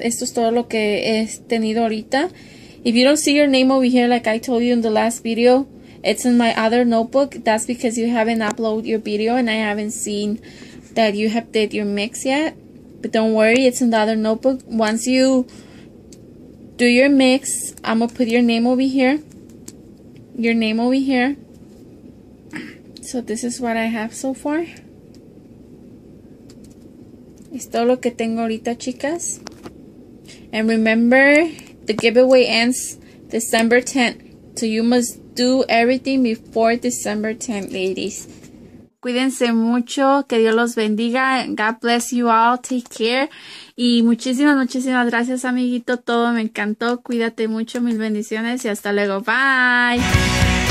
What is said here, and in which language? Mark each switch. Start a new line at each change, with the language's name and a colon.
Spanish: Esto es todo lo que he tenido ahorita.
English: If you don't see your name over here, like I told you in the last video, it's in my other notebook. That's because you haven't uploaded your video and I haven't seen that you have did your mix yet. But don't worry, it's in the other notebook. Once you do your mix, I'm gonna put your name over here. Your name over here. So this is what I have so far.
Spanish: Es todo lo que tengo ahorita, chicas.
English: And remember, the giveaway ends December 10th. So you must do everything before December 10th, ladies.
Spanish: Cuídense mucho, que Dios los bendiga.
English: God bless you all, take care.
Spanish: Y muchísimas gracias, amiguito. Todo me encantó. Cuídate mucho, mil bendiciones y hasta luego. Bye.